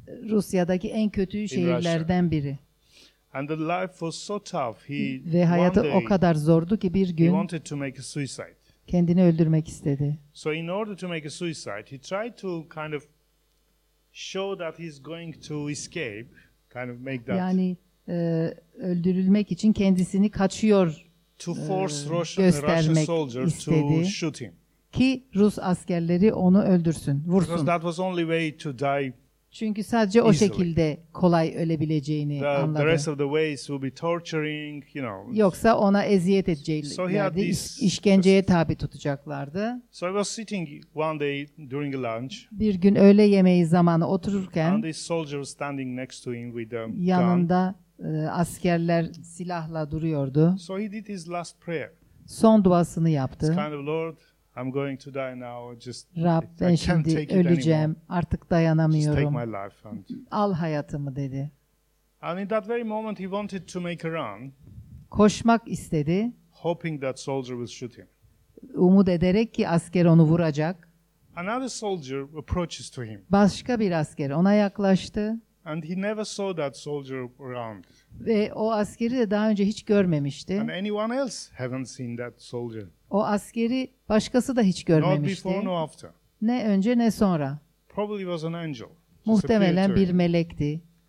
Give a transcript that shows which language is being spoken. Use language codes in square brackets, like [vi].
[tr] Rusya'daki en kötü şehirlerden biri. [en] And the life was so tough. [tr] Ve hayatı o kadar zordu ki bir gün [en] he wanted to make a suicide. [tr] Kendini öldürmek istedi. [en] So in order to make a suicide, he tried to kind of show that he's going to escape, kind of make that. [tr] Yani öldürülmek için kendisini kaçıyor. [en] To force Russian soldiers [tr] istedi. [en] To shoot him. [tr] Ki Rus askerleri onu öldürsün, vursun. [en] Because that was only way to die. [tr] Çünkü sadece [en] easily. [tr] O şekilde kolay ölebileceğini anladı. [en] The rest of the ways will be torturing, you know. [tr] Yoksa ona eziyet edeceklerdi. [en] So [tr] işkenceye tabi tutacaklardı. [en] So he was sitting one day during lunch. [tr] Bir gün öğle yemeği zamanı otururken [en] and this soldier was standing next to him with a gun. [tr] Yanında askerler silahla duruyordu. [en] So he did his last prayer. [tr] Son duasını yaptı. [en] It's kind of Lord, I'm going to die now. Just [tr] Rab, ben [en] I can't [tr] şimdi [en] take [tr] öleceğim. [en] It anymore. [tr] Artık dayanamıyorum. [en] Just take my life and [tr] al hayatımı dedi. [en] And in that very moment he wanted to make a run. [tr] Koşmak istedi. [en] Hoping that soldier will shoot him. [tr] Umut ederek ki asker onu vuracak. [en] Another soldier approaches to him. [tr] Başka bir asker ona yaklaştı. [en] And he never saw that soldier around. [tr] Ve o askeri de daha önce hiç görmemişti. [en] And anyone else haven't seen that soldier. [tr] O askeri başkası da hiç görmemişti. [en] Not before, not after. [tr] Ne önce ne sonra. [en] Probably was an angel. [tr] Muhtemelen bir melekti.